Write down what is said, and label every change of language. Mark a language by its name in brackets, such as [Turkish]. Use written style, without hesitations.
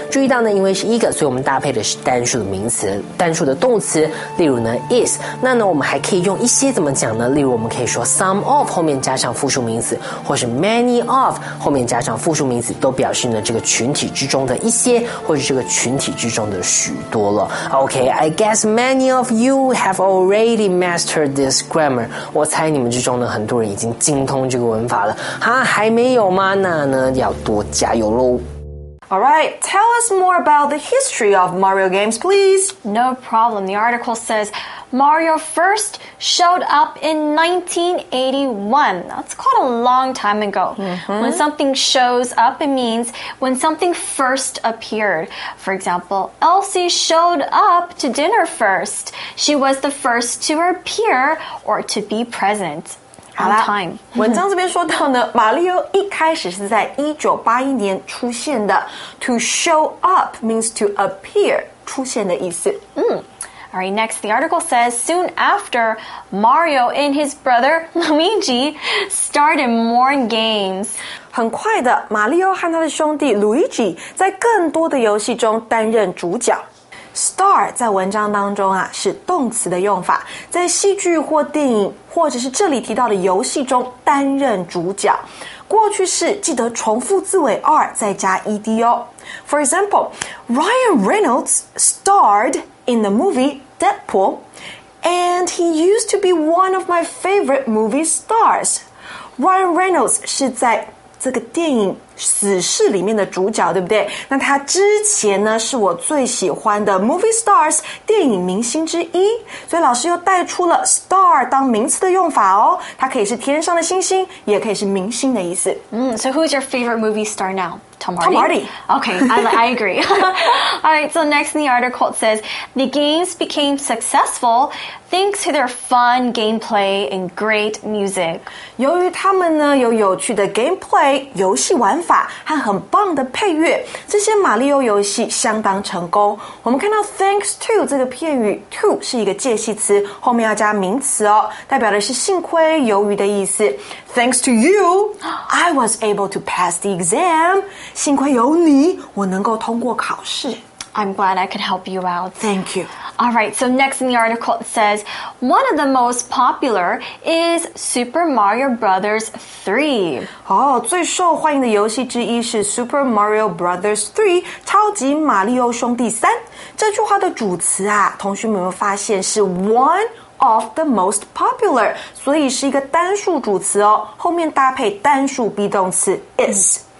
[Chinese] 注意到呢，因为是一个，所以我们搭配的是单数的名词，单数的动词，例如呢 is。那呢我们还可以用一些怎么讲呢，例如我们可以说 some of 后面加上复数名词，或是 many of 后面加上复数名词，都表示呢这个群体之中的一些，或是这个群体之中的许多了。 [English] OK， I guess many of you have already mastered this grammar。 [Chinese] 我猜你们之中呢很多人已经精通这个文法了，还没有吗？那呢要多加油咯。 [English] Alright, tell us more about the history of Mario games, please. No problem. The article says Mario first showed up in 1981. That's quite a long time ago. Mm-hmm. When something shows up, it means when something first appeared. For example, Elsie showed up to dinner first. She was the first to appear or to be present. [Chinese] 好啦，文章这边说到呢，马里奥一开始是在1981年出现的。 To show up means to appear, 出现的意思。 [English] Alright, next, the article says, soon after, Mario and his brother, Luigi, started more games. [Chinese] 很快的，马里奥和他的兄弟 Luigi 在更多的游戏中担任主角。 Star 在文章当中啊是动词的用法，在戏剧或电影或者是这里提到的游戏中担任主角。过去式记得重复字尾 R 再加 ED 哦。 [English] For example, Ryan Reynolds starred in the movie Deadpool, and he used to be one of my favorite movie stars. [Chinese] Ryan Reynolds 是在这个电影死侍里面的主角，对不对？那他之前呢是我最喜欢的 movie stars 电影明星之一，所以老师又带出了 star 当名词的用法哦，它可以是天上的星星，也可以是明星的意思。 [English] So who's your favorite movie star now? Tom Hardy. Tom Hardy. Okay, I agree. All right, so next in the article it says, the games became successful thanks to their fun gameplay and great music. [Chinese] 由于他们呢有有趣的 gameplay, 游戏玩法和很棒的配乐，这些马里奥游戏相当成功。我们看到 thanks to 这个片语， to 是一个介系词，后面要加名词哦，代表的是幸亏、由于的意思。 [English] Thanks to you, I was able to pass the exam. [Chinese] 幸亏有你，我能够通过考试。 [English] I'm glad I could help you out. Thank you. All right, so next in the article it says, one of the most popular is Super Mario Brothers 3. [Chinese] 哦，最受欢迎的游戏之一是 Super Mario Brothers 3, 超级马里奥兄弟三。这句话的主词啊，同学们有没有发现是 [English] one of the most popular, [Chinese] 所以是一个单数主词哦，后面搭配单数 be 动词 is.